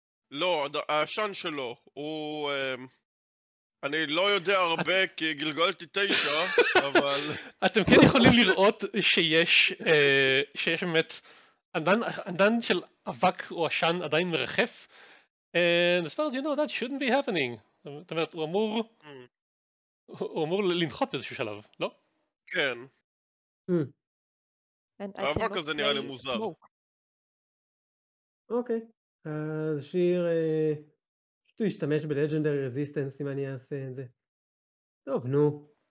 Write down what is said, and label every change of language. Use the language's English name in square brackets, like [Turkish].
[Hebrew] לא, השן שלו, הוא... אני לא יודע הרבה כי גלגלתי 9, אבל... אתם כן יכולים לראות שיש, שיש באמת ענן, ענן של אבק או השן עדיין מרחף. [English] And as far as you know, that shouldn't be happening. [Hebrew] זאת אומרת, הוא אמור... הוא אמור לנחות באיזשהו שלב, לא? כן. האבק הזה נראה לי מוזר. אוקיי. אז שיר, פשוט הוא ישתמש בלג'נדרי רזיסטנס אם אני אעשה את זה. טוב, נו.